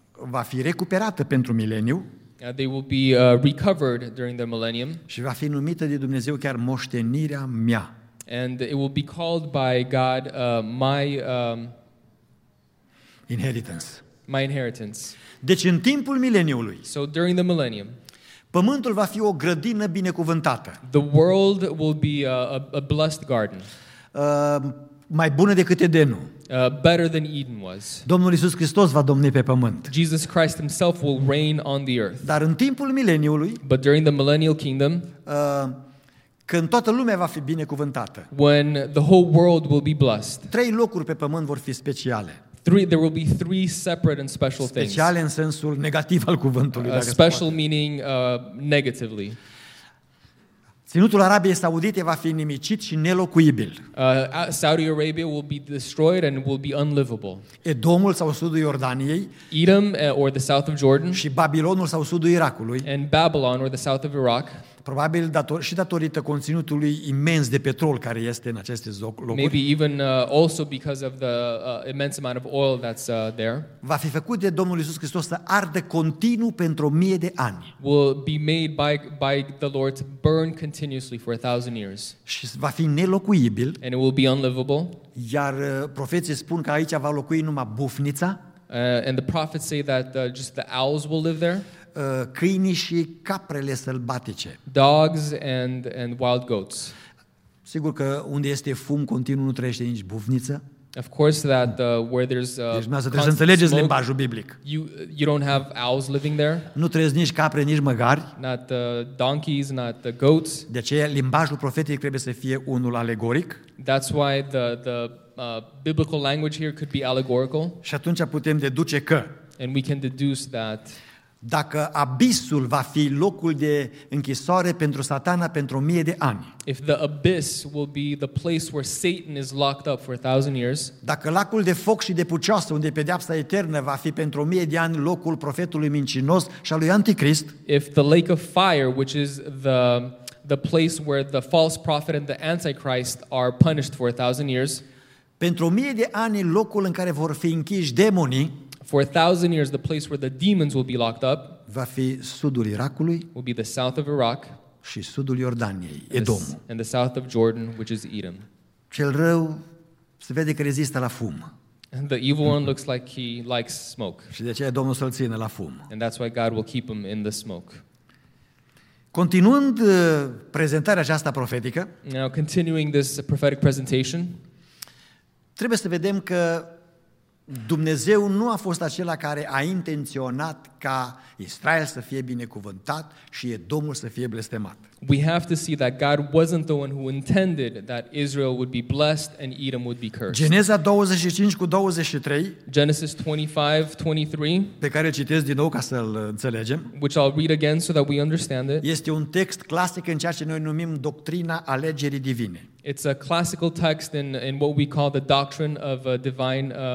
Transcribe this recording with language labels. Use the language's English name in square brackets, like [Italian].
[Romanian] va fi recuperată pentru mileniu. [English] They will be recovered during the millennium. [Romanian] Și va fi numită de Dumnezeu chiar moștenirea mea. [English] And it will be called by God my inheritance. My inheritance. [Romanian] Deci în timpul mileniului. [English] So during the millennium. [Romanian] Pământul va fi o grădină binecuvântată. [English] The world will be a blessed garden. [Romanian] Mai bună decât Edenul. [English] Better than Eden was. [Romanian] Domnul Iisus Hristos va domni pe pământ. [English] Jesus Christ himself will reign on the earth. [Romanian] Dar în timpul mileniului. [English] But during the millennial kingdom. [Romanian] Când toată lumea va fi binecuvântată. [English] When the whole world will be blessed. [Romanian] Trei locuri pe pământ vor fi speciale. [English] There will be three separate and special things. [Romanian] Speciale în sensul negativ al cuvântului. [English] A special meaning negatively. [Romanian] Ținutul Arabiei Saudite va fi nimicit și nelocuibil. [English] Saudi Arabia will be destroyed and will be unlivable. [Romanian] Edomul sau sudul Iordaniei. [English] Edom or the south of Jordan. [Romanian] Și Babilonul sau sudul Irakului. [English] And Babylon or the south of Iraq. [Romanian] Probabil datorită conținutului imens de petrol care este în aceste locuri. [English] Maybe even also because of the immense amount of oil that's there. [Romanian] Va fi făcut de Domnul Iisus Hristos să ardă continuu pentru 1000 de ani. [English] Will be made by the Lord to burn continuously for 1000 years. [Romanian] Și va fi nelocuibil. [English] And it will be unlivable. [Romanian] Iar profeții spun că aici va locui numai bufnița. [English] And the prophets say that just the owls will live there. [Romanian] Câinii și caprele sălbatice. [English] Dogs and wild goats. [Romanian] Sigur că unde este fum continuu nu trăiește nici bufniță. [English] Of course that where there's [Romanian] deci să înțelegeți smoke, limbajul biblic. [English] You don't have owls living there. [Romanian] Nu trăiesc nici capre, nici măgari. [English] Not donkeys, not the goats. [Romanian] De aceea limbajul profetic trebuie să fie unul alegoric. [English] That's why the biblical language here could be allegorical. [Romanian] Și atunci putem deduce că [English] and we can deduce that [Romanian] dacă abisul va fi locul de închisoare pentru Satana pentru 1000 de ani. [English] If the abyss will be the place where Satan is locked up for 1000 years. [Romanian] Dacă lacul de foc și de pucioasă unde pedeapsa eternă va fi pentru 1000 de ani locul profetului mincinos și al lui Anticrist. [English] If the lake of fire, which is the place where the false prophet and the antichrist are punished for 1000 years. [Romanian] Pentru 1000 de ani locul în care vor fi închiși demonii. [English] For 1000 years, the place where the demons will be locked up. [Romanian] va fi sudul Irakului, [English] will be the south of Iraq, [Romanian] și sudul Iordaniei, Edom. [English] And the south of Jordan, which is Edom. [Romanian] Cel rău se vede că rezistă la fum. [English] And the evil one looks like he likes smoke. [Romanian] Și de aceea Domnul să-l țină la fum. [English] And that's why God will keep him in the smoke. [Romanian] Continuând prezentarea aceasta profetică, [English] now continuing this prophetic presentation, [Romanian] trebuie să vedem că Dumnezeu nu a fost acela care a intenționat ca Israel să fie binecuvântat și Edomul să fie blestemat. [English] We have to see that God wasn't the one who intended that Israel would be blessed and Edom would be cursed. [Romanian] Geneza 25:23. [English] Genesis 25:23. [Romanian] Pe care îl citesc din nou ca să îl înțelegem. [English] Which I'll read again so that we understand it. [Romanian] Este un text clasic în ceea ce noi numim doctrina alegerii divine. [English] It's a classical text in what we call the doctrine of a divine